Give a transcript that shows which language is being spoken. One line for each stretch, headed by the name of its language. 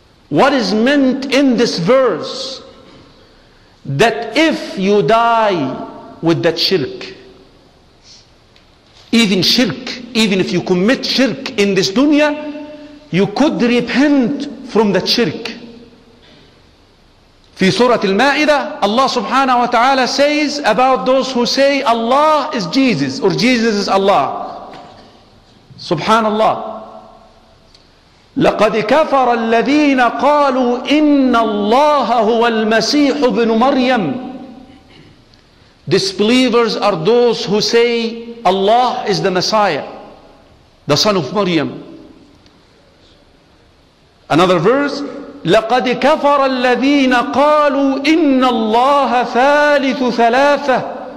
English: What is meant in this verse? That if you die with that shirk, even if you commit shirk in this dunya, you could repent from that shirk.
Arabic: في سورة المائدة,
English: Allah subhanahu wa ta'ala says about those who say Allah is Jesus, or Jesus is Allah. Subhanallah.
Arabic: لقد كفر الذين قالوا إن الله هو المسيح ابن مريم.
English: Disbelievers are those who say Allah is the Messiah, the son of Maryam. Another verse,
Arabic: لَقَدْ كَفَرَ الَّذِينَ قَالُوا إِنَّ اللَّهَ ثَالِثُ ثَلَاثَةٌ.